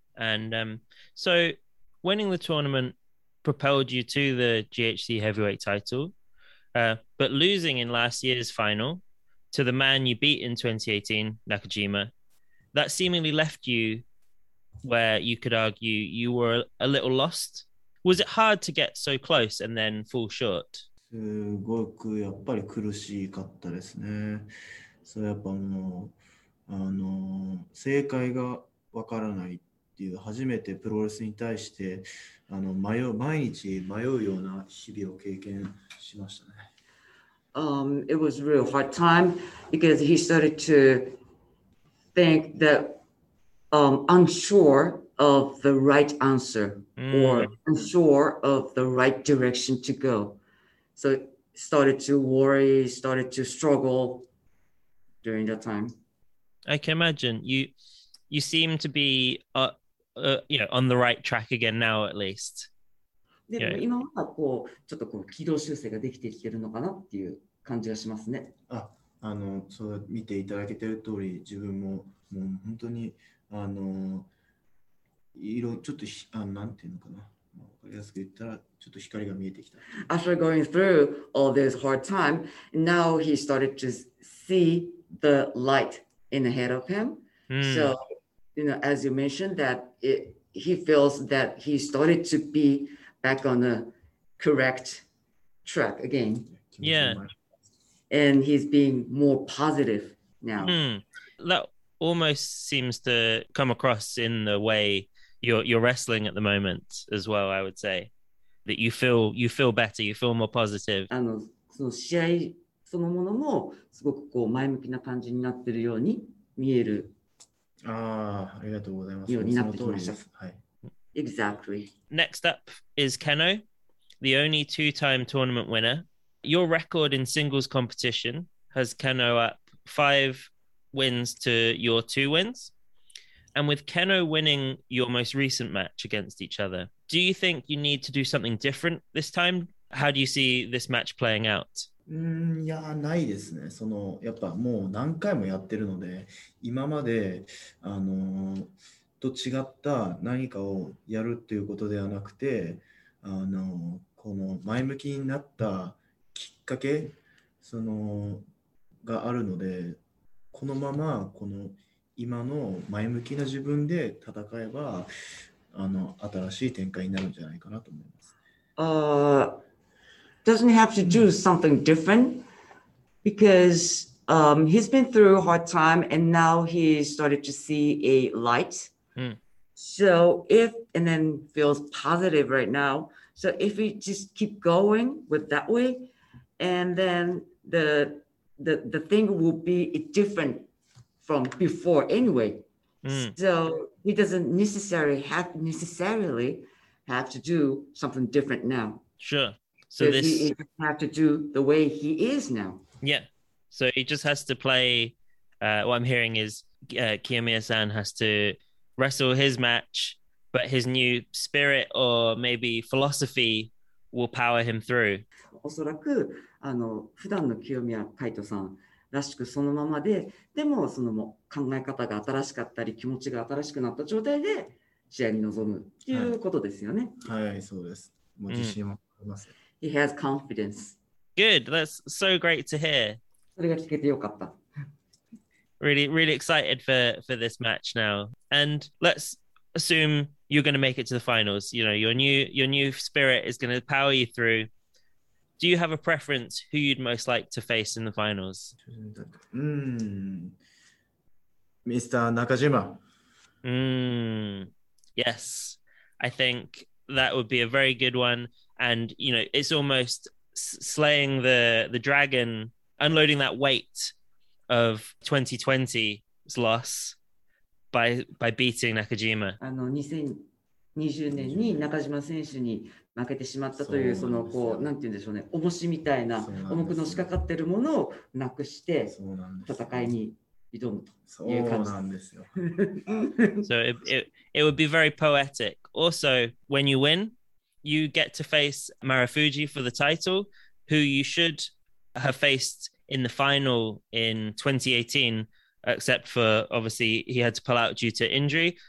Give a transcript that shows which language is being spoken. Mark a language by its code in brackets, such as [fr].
[en] And, so winning the tournament propelled you to the GHC heavyweight title, but losing in last year's final to the man you beat in 2018, Nakajima, that seemingly left youwhere you could argue you were a little lost. Was it hard to get so close and then fall short? [ja] すごくやっぱり苦しかったですね。それやっぱもうあの正解がわからないっていう、初めてプロレスに対してあの迷う、毎日迷うような日々を経験しましたね。 [en] It was a real hard time because he started to think thatunsure of the right answer、mm. or unsure of the right direction to go. So started to worry, started to struggle during that time. I can imagine you seem to be you know, on the right track again now at least. [ja] でも今はこうちょっとこう軌道修正ができてきてるのかなっていう感じがしますね。あのそう見ていただけてる通り自分ももう本当にあの色ちょっとあなんていうのかな、まあ、分かりやすく言ったらちょっと光が見えてきた。 [en] After going through all this hard time, now he started to see the light in ahead of him.、Mm. So, you know, as you mentioned that he feels that he started to be back on the correct track again. Yeah. And he's being more positive now.、 Mm. Almost seems to come across in the way you're wrestling at the moment as well, I would say. That you feel better, you feel more positive. [ja] あの、その試合そのものもすごくこう前向きな感じになってるように見える。ああ、ありがとうございます。ようになってきました。はい。 [en] Exactly. Next up is Keno, the only two-time tournament winner. Your record in singles competition has Keno up 5wins to your 2 wins. And with Keno winning your most recent match against each other, do you think you need to do something different this time? How do you see this match playing out? [ja] いや、ないですね。その、やっぱもう何回もやってるので、今まで、あの、と違った何かをやるっていうことではなくて、あの、この前向きになったきっかけ、その、があるので、このままこの今の前向きな自分で戦えばあの新しい展開になるんじゃないかなと思います。 [en] Doesn't have to do something different because he's been through a hard time and now he started to see a light.、 Mm. So if and then feels positive right now. So if we just keep going with that way and then the the thing will be different from before anyway. Mm. So he doesn't necessarily have to do something different now. Sure. So this he doesn't have to do the way he is now. Yeah. So he just has to play. What I'm hearing is Kiyomiya-san has to wrestle his match, but his new spirit or maybe philosophy will power him through. [ja] おそらくあの普段の清宮海斗さんらしくそのままで、でもそのも考え方が新しかったり気持ちが新しくなった状態で試合に臨むっていうことですよね。はい、はい、そうです。もう自信もあります。 [en] He has confidence. Good. That's so great to hear. [ja] それが聞けてよかった。 [en] Really, really excited for this match now. And let's assume you're going to make it to the finals. You know, your new spirit is going to power you through. Do you have a preference who you'd most like to face in the finals? Mr. Nakajima. Yes, I think that would be a very good one. And, you know, it's almost slaying the dragon, unloading that weight of 2020's loss by beating Nakajima. [ja] あの2020年に中島選手に負けてしまったというそのこうなんて言うんでしょうね、重しみたいな重くのしかかっているものをなくして戦いに挑むという感じ。そうなんですよ。 [en] So it would be very poetic. Also, when you win, you get to face Marufuji for the title, who you should have faced in the final in 2018, except for obviously he had to pull out due to injury.